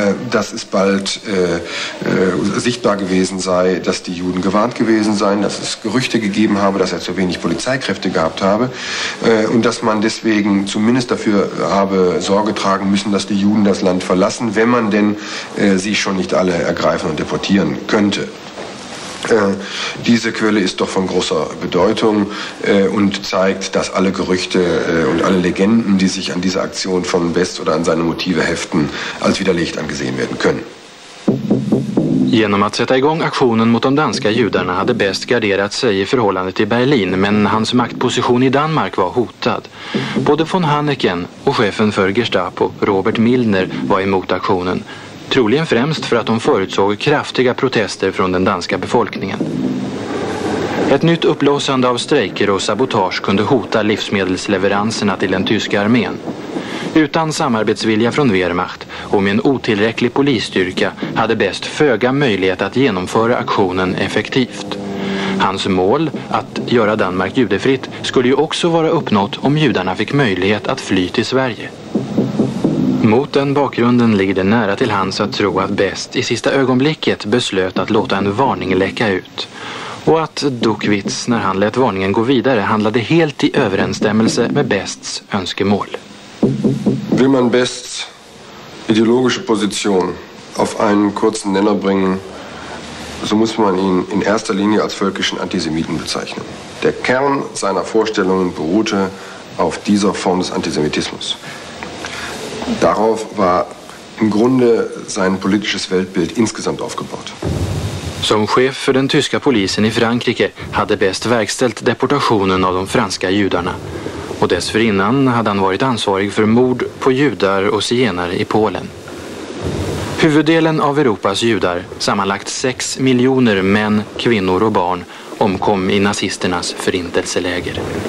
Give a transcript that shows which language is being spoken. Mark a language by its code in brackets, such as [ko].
[de] Das ist bald sichtbar gewesen sei, dass die Juden gewarnt gewesen seien, dass es Gerüchte gegeben habe, dass er zu wenig Polizeikräfte gehabt habe und dass man deswegen zumindest dafür habe Sorge tragen müssen, dass die Juden das Land verlassen, wenn man denn sie schon nicht alle ergreifen und deportieren könnte. Diese Quelle ist doch von großer Bedeutung und zeigt, dass alle Gerüchte und alle Legenden, die sich an diese Aktion von West oder an seine Motive heften, als widerlegt angesehen werden können. [sv] Genom att sätta igång aktionen mot de danska judarna hade Best garderat sig i förhållande till Berlin, men hans maktposition i Danmark var hotad. Både von Hanneken och chefen för Gestapo, Robert Milner, var emot aktionen. Troligen främst för att de förutsåg kraftiga protester från den danska befolkningen. Ett nytt upplösande av strejker och sabotage kunde hota livsmedelsleveranserna till den tyska armén. Utan samarbetsvilja från Wehrmacht och med en otillräcklig polisstyrka hade Best föga möjlighet att genomföra aktionen effektivt. Hans mål, att göra Danmark judefritt, skulle ju också vara uppnått om judarna fick möjlighet att fly till Sverige. Mot den bakgrunden ligger det nära till hans att tro att Best i sista ögonblicket beslöt att låta en varning läcka ut. Och att Duckwitz, när han lät varningen gå vidare, handlade helt i överensstämmelse med Bests önskemål. Vill man Bests ideologiska position [de] auf einen kurzen Nenner bringen, so muss man ihn in erster Linie als völkischen Antisemiten bezeichnen. Der Kern seiner Vorstellungen beruhte auf dieser Form des Antisemitismus. Darauf war im Grunde sein politisches Weltbild insgesamt aufgebaut. [sv] Som chef för den tyska polisen i Frankrike hade Best verkställt deportationen av de franska judarna. Och dessförinnan hade han varit ansvarig för mord på judar och zigenare i Polen. Huvuddelen av Europas judar, sammanlagt 6 miljoner män, kvinnor och barn, omkom i nazisternas förintelseläger.